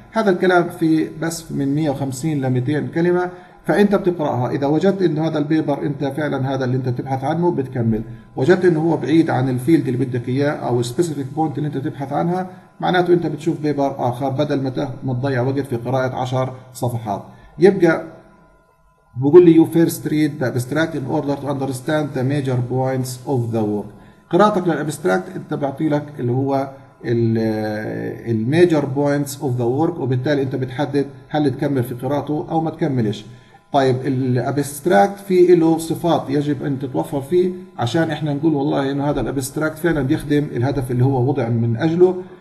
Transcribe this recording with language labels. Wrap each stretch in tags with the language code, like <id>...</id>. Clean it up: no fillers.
<ar>هذا الكلام في بس من 150 ل200 كلمة، فأنت بتقرأها إذا وجدت أن هذا البيبر أنت فعلا هذا اللي أنت تبحث عنه بتكمل، وجدت أنه هو بعيد عن الفيلد اللي بدك إياه أو specific point اللي أنت تبحث عنها معناته أنت بتشوف بيبر آخر بدل ما تضيع وقت في قراءة 10 صفحات. يبقى بقول لي</ar> <en>you first read the abstract in order to understand the major points of the work.</en> <ar>قراءتك للابستراكت انت بيعطي لك اللي هو الميجر بوينتس اوف ذا ورك، وبالتالي انت بتحدد هل تكمل في قراءته او ما تكملش. طيب الابستراكت في له صفات يجب ان تتوفر فيه عشان احنا نقول والله انه هذا الابستراكت فعلا بيخدم الهدف اللي هو وضع من اجله.</ar>